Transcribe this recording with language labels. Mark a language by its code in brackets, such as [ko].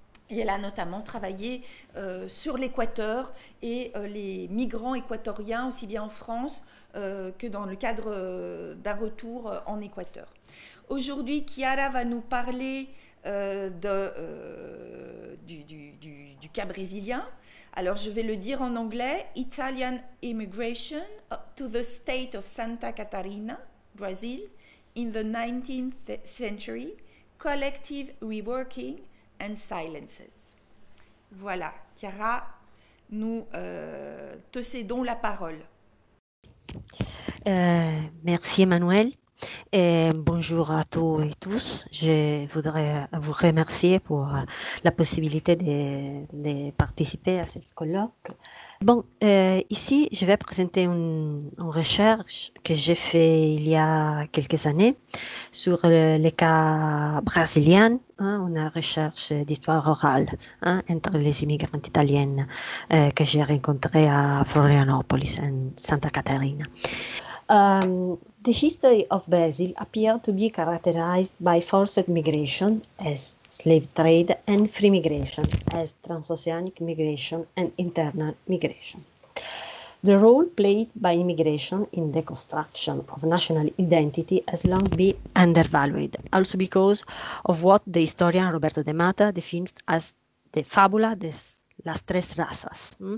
[fr] Et elle a notamment travaillé sur l'Équateur et les migrants équatoriens, aussi bien en France que dans le cadre d'un retour en Équateur. Aujourd'hui, Chiara va nous parler du cas brésilien. Alors, je vais le dire en anglais. [en] Italian immigration to the state of Santa Catarina, Brazil, in the 19th century, collective reworking, and silences. [fr] Voilà, Chiara, nous te cédons la parole. Merci Emmanuel et bonjour à tous et tous. Je voudrais vous remercier pour la possibilité de participer à cette colloque. Bon, ici je vais présenter une recherche que j'ai fait il y a quelques années sur les cas brésiliens, hein, une recherche d'histoire orale, hein, entre les immigrantes italiennes que j'ai rencontrées à Florianópolis en Santa Catarina. [en] The history of Brazil appeared to be characterized by forced migration as slave trade and free migration as transoceanic migration and internal migration. The role played by immigration in the construction of national identity has long been undervalued, also because of what the historian Roberto De Mata defines as the fabula de las tres razas.